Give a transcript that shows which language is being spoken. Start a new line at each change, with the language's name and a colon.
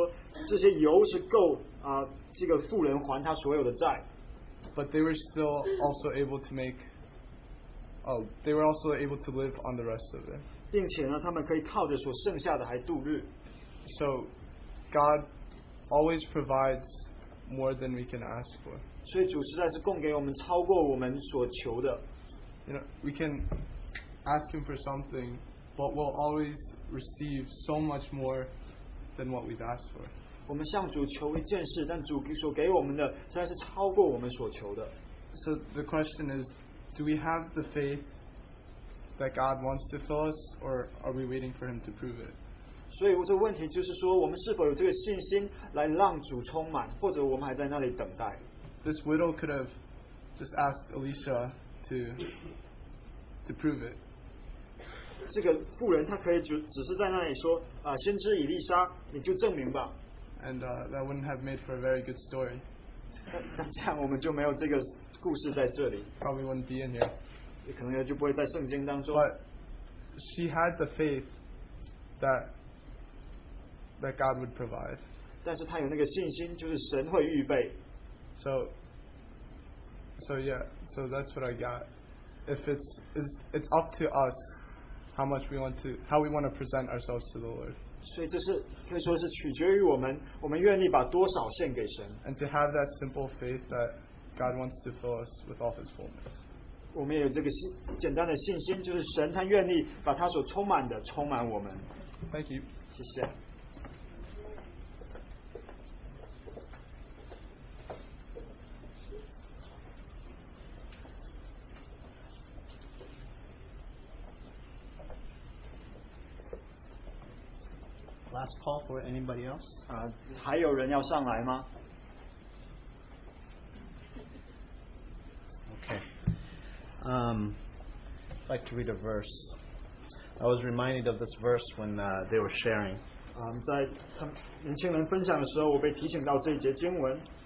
Chinese: 那最后也讲到说，这些油是够 这个妇人还她所有的债。
English: But they were still also able to make. Oh, they were also able to live on the rest of it.
Chinese: 并且呢，他们可以靠着所剩下的还度日.
English: So, God always provides more than we can ask for.
Chinese: 所以主实在是供给我们超过我们所求的.
English: You know, we can ask Him for something, but we'll always receive so much more than what we've asked for.
Chinese: 我们向主求一件事,
English: so the question is, do we have the faith that God wants to fill us, or are we waiting for Him to prove it?
Chinese: 所以这个问题就是说我们是否有这个信心来让主充满, 或者我们还在那里等待?
English: This widow could have just asked Elisha to prove it.
Chinese: 这个妇人她可以只是在那里说, 先知以利沙, 你就证明吧。
English: And that wouldn't have made for a very good story.
Chinese: 这样我们就没有这个故事在这里。
English: Probably wouldn't be in here.
Chinese: 也可能就不会在圣经当中。
English: But she had the faith that God would provide.
Chinese: 但是她有那个信心, 就是神会预备。
English: So that's what I got. If it's up to us how we want to present ourselves to the Lord.
Chinese: 所以这是可以说是取决于我们愿意把多少献给神。
English: And to have that simple faith that God wants to fill us with all His fullness.
Chinese: 我们也有这个简单的信心，就是神他愿意把他所充满的充满我们。
English: Thank you.
Chinese: 谢谢。
English: Last call for anybody else?
Chinese: 还有人要上来吗?
English: Okay. I'd like to read a verse. I was reminded of this verse when they were sharing.
Chinese: 在年轻人分享的时候，我被提醒到这一节经文.